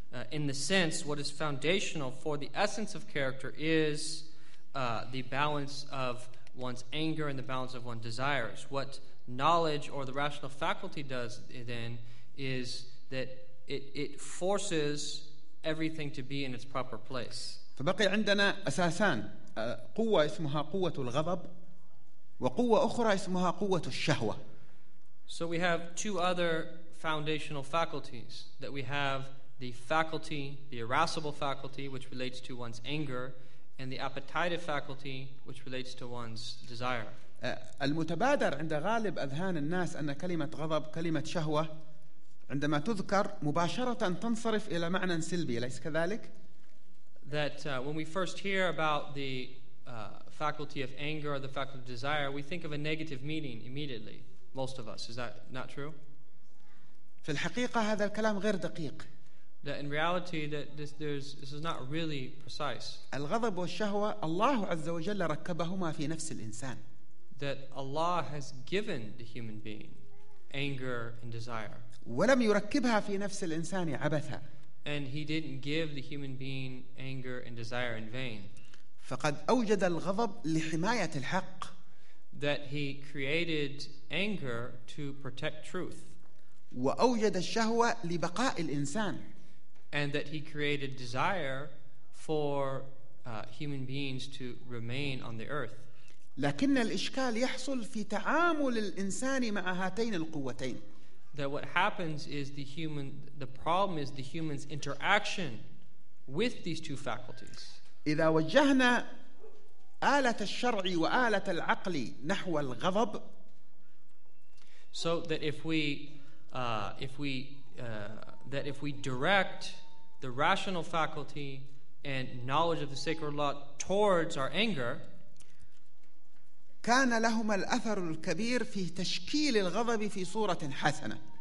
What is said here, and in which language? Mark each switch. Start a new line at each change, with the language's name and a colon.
English: In the sense, what is foundational for the essence of character is the balance of one's anger and the balance of one's desires. What knowledge or the rational faculty does then is that it forces everything to be in its proper place.
Arabic: فبقي عندنا أساسان قوة اسمها قوة الغضب وقوة أخرى اسمها قوة الشهوة.
English: So we have two other foundational faculties. That we have the faculty, the irascible faculty, which relates to one's anger, and the appetitive faculty, which relates to one's desire.
Arabic: المتبادر عند غالب أذهان الناس أن كلمة غضب كلمة شهوة عندما تذكر مباشرة تنصرف إلى معنى سلبي، ليس كذلك؟
English: That when we first hear about the faculty of anger or the faculty of desire, we think of a negative meaning immediately. Most of us, is that not true?
Arabic: في الحقيقة هذا الكلام غير دقيق.
English: That in reality, that this is not really precise.
Arabic: الغضب والشهوة الله عز وجل ركبهما في نفس الإنسان.
English: That Allah has given the human being anger and desire.
Arabic: ولم يركبها في نفس الإنسان عبثا.
English: And he didn't give the human being anger and desire in vain.
Arabic: فقد أوجد الغضب لحماية الحق.
English: That he created anger to protect truth.
Arabic: وأوجد الشهوة لبقاء الإنسان.
English: And that he created desire for human beings to remain on the earth.
Arabic: لكن الإشكال يحصل في تعامل الإنسان مع هاتين القوتين.
English: That what happens is the problem is the human's interaction with these two faculties.
Arabic: إذا وجهنا آلة الشرع وآلة العقل نحو الغضب.
English: So that if we direct the rational faculty and knowledge of the sacred law towards our anger.
Arabic: كان لهما الأثر الكبير في تشكيل الغضب في صورة حسنة.